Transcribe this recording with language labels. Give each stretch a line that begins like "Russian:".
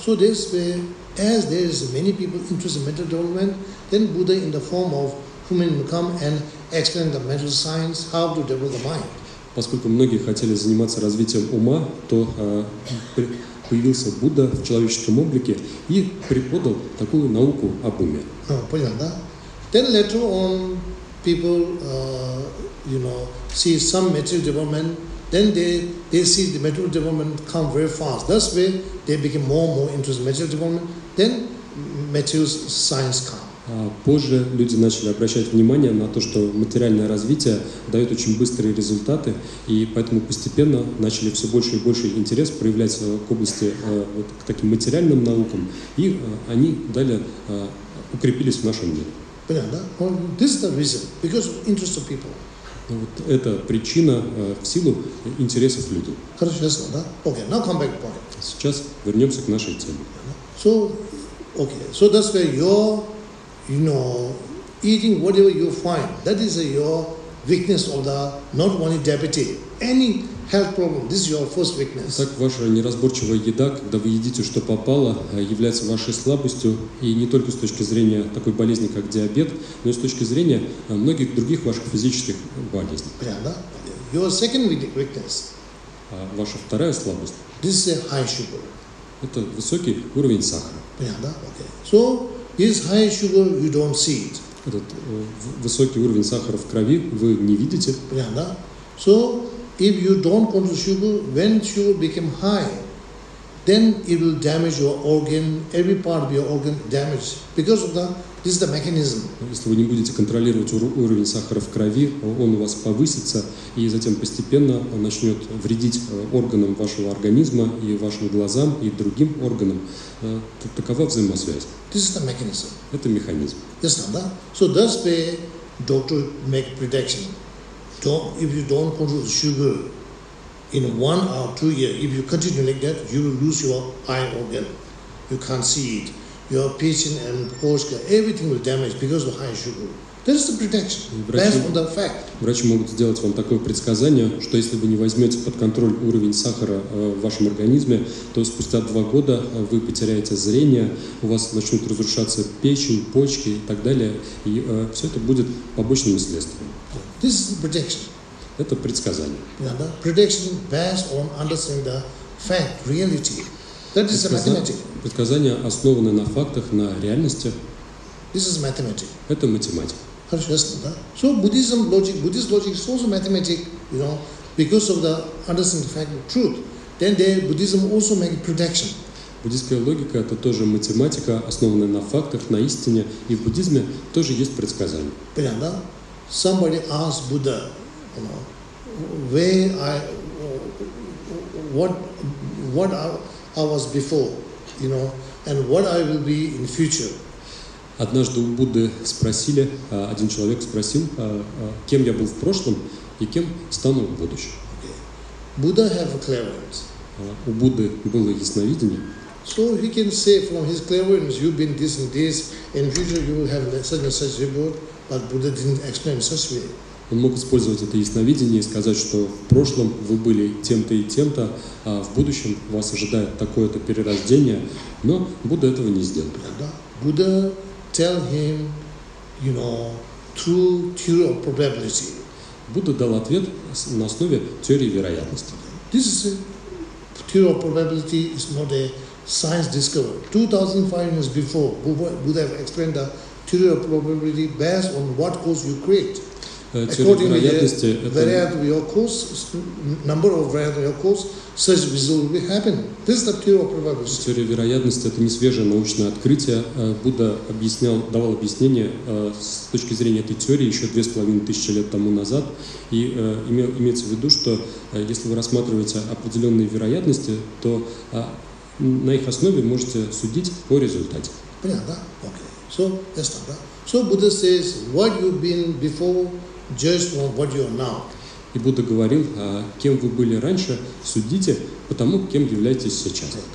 English: So, there's where, as there's many people interested in mental development, then Buddha in the form of human come and explain the mental science, how to develop the mind.
Russian: Поскольку многие хотели заниматься развитием ума, то появился Будда в человеческом облике и преподал такую науку об уме. Понятно, да?
English: Then later on, people, you know, see some material development, then they see the material development come very fast. That's where they become more and more interested in material development, then material science come.
Russian: Позже люди начали обращать внимание на то, что материальное развитие дает очень быстрые результаты, и поэтому постепенно начали все больше и больше интерес проявлять к области, вот, к таким материальным наукам, и они далее укрепились в нашем мире. Понятно, да?
English: Well, this is the reason, because interest of people.
Russian: Вот это причина в силу интересов людей. Хорошо, ясно, да?
English: Okay, now come back to point.
Russian: Сейчас вернемся к нашей теме.
English: So, okay, so that's where your, you know, eating whatever you find, that is your weakness of the not only diabetes, any health problem, this is your first weakness.
Russian: Так ваша неразборчивая еда, когда вы едите что попало, является вашей слабостью, и не только с точки зрения такой болезни, как диабет, но и с точки зрения многих других ваших физических болезней. Правда?
English: Your second weakness.
Russian: А ваша вторая слабость?
English: This is a high sugar.
Russian: Это высокий уровень сахара. Правда?
English: Okay. So, is high sugar, you don't see it.
Russian: Этот высокий уровень сахара в крови вы не видите. Правда?
English: So, if you don't control sugar, when sugar become high, then it will damage your organ, every part of your organ damage. Because of that, this is the mechanism.
Russian: Если вы не будете контролировать уровень сахара в крови, он у вас повысится, и затем постепенно он начнет вредить органам вашего организма, и вашим глазам, и другим органам. Такова взаимосвязь.
English: This is the mechanism.
Russian: Это механизм.
English: Yes, not that? So that's where doctor make prediction. Don't, if you don't control the sugar in 1 or 2 years, if you continue like that, you will lose your eye organ. You can't see it. Your pigeon and horse, everything will damage because of high sugar. That's the prediction. Based on the fact.
Russian: Врачи могут сделать вам такое предсказание, что если вы не возьмете под контроль уровень сахара в вашем организме, то спустя 2 года вы потеряете зрение, у вас начнут разрушаться печень, почки и так далее, и все это будет побочным следствием.
English: This is prediction.
Russian: Это предсказание.
English: Yeah, prediction based on understanding the fact, reality. That is mathematics.
Russian: Предсказание основано на фактах, на реальности.
English: This is mathematics.
Russian: Это математика. Хорошо, ясно, да?
English: So Buddhism logic, Buddhist logic is also mathematics, you know, because of the understanding the fact, the truth. Then there Buddhism also makes prediction.
Russian: Буддийская логика – это тоже математика, основанная на фактах, на истине. И в буддизме тоже есть предсказание. Понятно, да?
English: Somebody asked Buddha, you know, what I was before, you know, and what I will be in future.
Russian: Однажды у Будды спросили, один человек спросил, кем я был в прошлом и кем стану в будущем.
English: Okay. Buddha have a clairvoyance.
Russian: У Будды было ясновидение.
English: So he can say from his clairvoyance, you've been this and this, in future you will have such and such reward. But Buddha didn't explain such way.
Russian: Он мог использовать это ясновидение и сказать, что в прошлом вы были тем-то и тем-то, а в будущем вас ожидает такое-то перерождение. Но Будда этого не сделал.
English: Buddha tell him, you know, through theory of probability.
Russian: Будда дал ответ на основе теории вероятности.
English: This is a theory of probability is not a science discovery. 2,500 years before, Buddha have explained that. Theory of probability based on what cause you create. According to the variety of your cause, number of variety of your cause, such result will happen. This is the theory of probability.
Russian: Теория вероятности – это не свежее научное открытие. Будда давал объяснение с точки зрения этой теории еще 2500 лет тому назад. И имеется в виду, что если вы рассматриваете определенные вероятности, то на их основе можете судить по результате. Понятно, да? Окей.
English: So, yes, Buddha. So Buddha says, what you've been before, judge from what you are now.
Russian: И Будда говорил, кем вы были раньше, судите по тому, кем являетесь сейчас.